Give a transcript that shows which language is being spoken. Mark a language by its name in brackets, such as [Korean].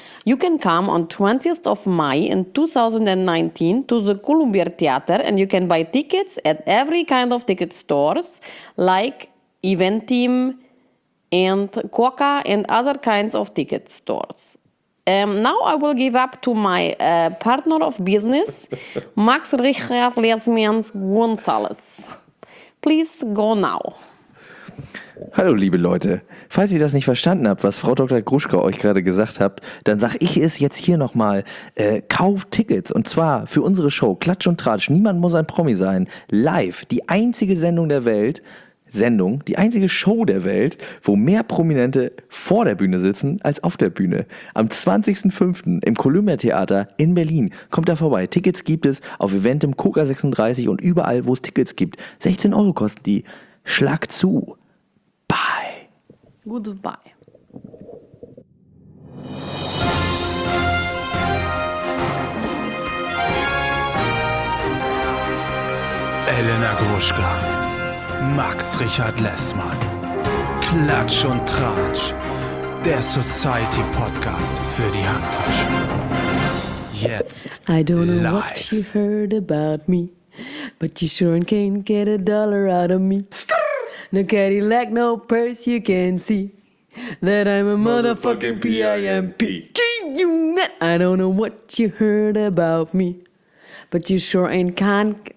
[English] You can come on 20th of May in 2019 to the Columbia Theater, and you can buy tickets at every kind of ticket stores like Eventim and Quokka and other kinds of ticket stores. Now I will give up to my partner of business, Max Richard Lesmians Gonzalez. Please go now. [German] Hallo liebe Leute, falls ihr das nicht verstanden habt, was Frau Dr. Gruschka euch gerade gesagt hat, dann sag ich es jetzt hier nochmal. Kauft Tickets und zwar für unsere Show Klatsch und Tratsch, Niemand muss ein Promi sein, live, die einzige Sendung der Welt, die einzige Show der Welt, wo mehr Prominente vor der Bühne sitzen als auf der Bühne. Am 20.05. im Columbia Theater in Berlin. Kommt da vorbei. Tickets gibt es auf Eventim, Koka 36 und überall, wo es Tickets gibt. 16 Euro kosten die. Schlag zu. Bye. [English] Goodbye. [German] Elena Gruschka. Max Richard Lessmann. Klatsch und Tratsch. Der Society Podcast für die Handtasche. Jetzt. [English] I don't know what she heard about me, but you sure can't get a dollar out of me. No Cadillac, no purse, you can see that I'm a motherfucking pimp. I don't know what you heard about me, but you sure ain't can't.